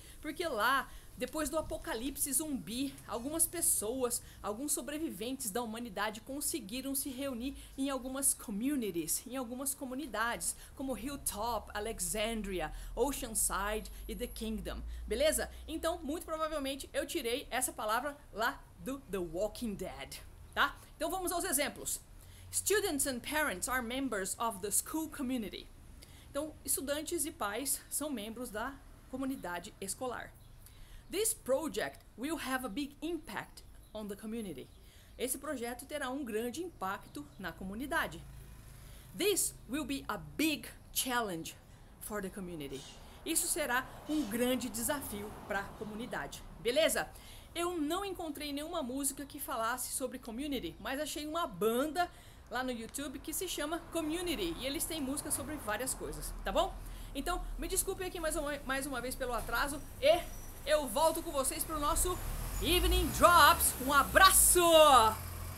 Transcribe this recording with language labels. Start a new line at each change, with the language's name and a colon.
Portuguese: Porque lá, depois do apocalipse zumbi, algumas pessoas, alguns sobreviventes da humanidade conseguiram se reunir em algumas communities, em algumas comunidades, como Hilltop, Alexandria, Oceanside e The Kingdom, beleza? Então, muito provavelmente, eu tirei essa palavra lá do The Walking Dead, tá? Então, vamos aos exemplos.
English: Students and parents are members of the school community.
Portuguese: Então, estudantes e pais são membros da comunidade escolar.
English: This project will have a big impact on the community.
Portuguese: Esse projeto terá um grande impacto na comunidade.
English: This will be a big challenge for the community.
Portuguese: Isso será um grande desafio para a comunidade. Beleza? Eu não encontrei nenhuma música que falasse sobre community, mas achei uma banda lá no YouTube que se chama Community e eles têm música sobre várias coisas, tá bom? Então, me desculpe aqui mais uma vez pelo atraso e eu volto com vocês para o nosso Evening Drops. Um abraço!